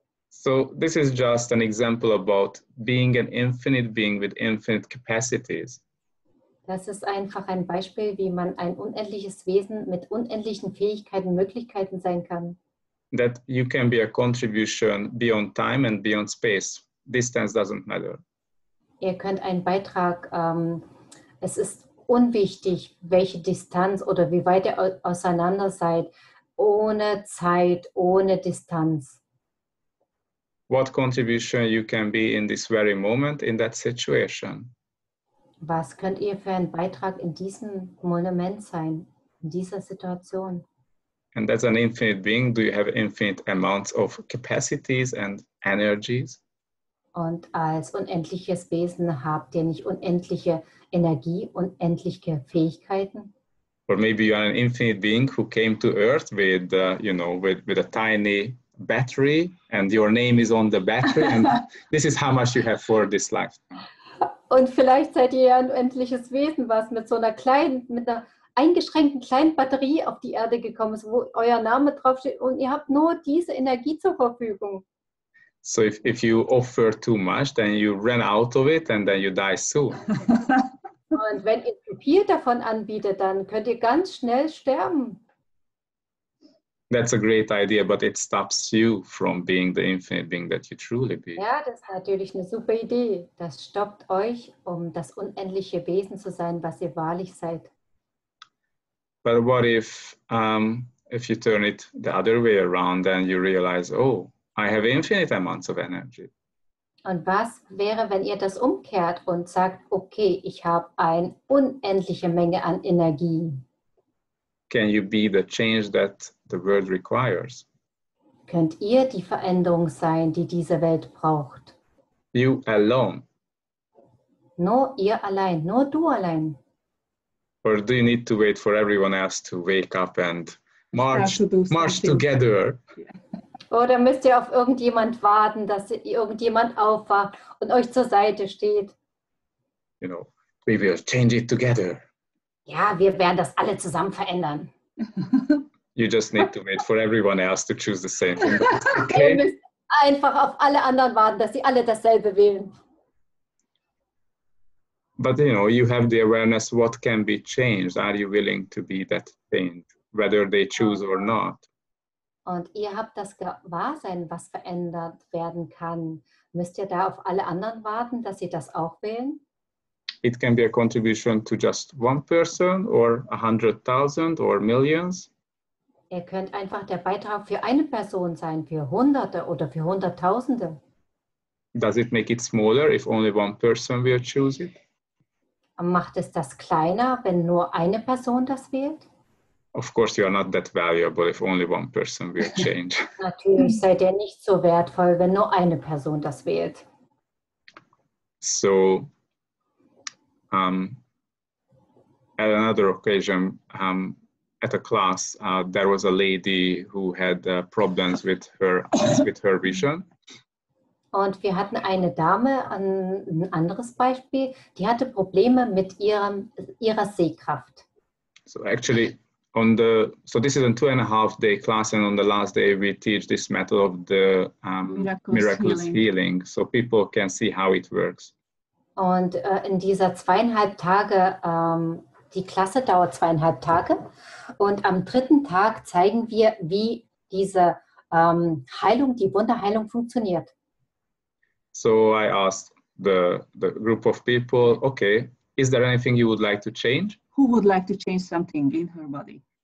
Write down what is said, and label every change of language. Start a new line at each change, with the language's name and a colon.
English: So this is just an example about being an infinite being with infinite capacities.
German: Das ist einfach ein Beispiel, wie man ein unendliches Wesen mit unendlichen Fähigkeiten und Möglichkeiten sein kann.
English: That you can be a contribution beyond time and beyond space. Distance doesn't matter.
German: Ihr könnt einen Beitrag, es ist unwichtig, welche Distanz oder wie weit ihr auseinander seid, ohne Zeit, ohne Distanz.
English: What contribution you can be in this very moment, in that situation?
German: Was könnt ihr für einen Beitrag in diesem Moment sein, in dieser Situation?
English: And as an infinite being, do you have infinite amounts of capacities and energies?
German: Und als unendliches Wesen habt ihr nicht unendliche Energie, unendliche Fähigkeiten?
English: Or maybe you are an infinite being who came to Earth with, you know, with a tiny battery and your name is on the battery and this is how much you have for this life.
German: Und vielleicht seid ihr ein unendliches Wesen, was mit so einer kleinen, mit einer eingeschränkten kleinen Batterie auf die Erde gekommen ist, wo euer Name draufsteht und ihr habt nur diese Energie zur Verfügung.
English: So if you offer too much, then you run out of it and then you die soon.
German: Und wenn ihr zu viel davon anbietet, dann könnt ihr ganz schnell sterben.
English: That's a great idea, but it stops you from being the infinite being that you truly be.
German: Ja, das ist natürlich eine super Idee. Das stoppt euch, um das unendliche Wesen zu sein, was ihr wahrlich seid.
English: But what if you turn it the other way around and you realize, oh, I have infinite amounts of energy.
German: Und was wäre, wenn ihr das umkehrt und sagt, okay, ich habe eine unendliche Menge an Energie.
English: Can you be the change that the world requires?
German: Könnt ihr die Veränderung sein, die diese Welt braucht?
English: You alone.
German: Nur ihr allein, nur du allein.
English: Or do you need to wait for everyone else to wake up and march together?
German: Oder müsst ihr auf irgendjemand warten, dass irgendjemand aufwacht und euch zur Seite steht?
English: You know, we will change it together.
German: Ja, wir werden das alle zusammen verändern.
English: You just need to wait for everyone else to choose the same thing. Okay.
German: Ihr müsst einfach auf alle anderen warten, dass sie alle dasselbe wählen.
English: But you know, you have the awareness what can be changed. Are you willing to be that change, whether they choose or not?
German: Und ihr habt das Gewahrsein, was verändert werden kann. Müsst ihr da auf alle anderen warten, dass sie das auch wählen?
English: It can be a contribution to just one person or 100,000 or millions.
German: Ihr könnt einfach der Beitrag für eine Person sein, für Hunderte oder für Hunderttausende.
English: Does it make it smaller if only one person will choose it?
German: Macht es das kleiner, wenn nur eine Person das wählt?
English: Of course you are not that valuable if only one person will change.
German: Natürlich seid ihr nicht so wertvoll, wenn nur eine Person das wählt.
English: So, at another occasion, at a class, there was a lady who had problems with her with her vision.
German: Und wir hatten eine Dame, ein anderes Beispiel, die hatte Probleme mit ihrer Sehkraft.
English: So actually, on the so this is a 2.5 day class, and on the last day we teach this method of the miraculous healing, so people can see how it works.
German: Und in dieser 2.5 Tage, die Klasse dauert 2.5 Tage, und am dritten Tag zeigen wir, wie diese Heilung, die Wunderheilung funktioniert.
English: So I asked the group of people, okay, is there anything you would like to change? Who would like to change something in her body?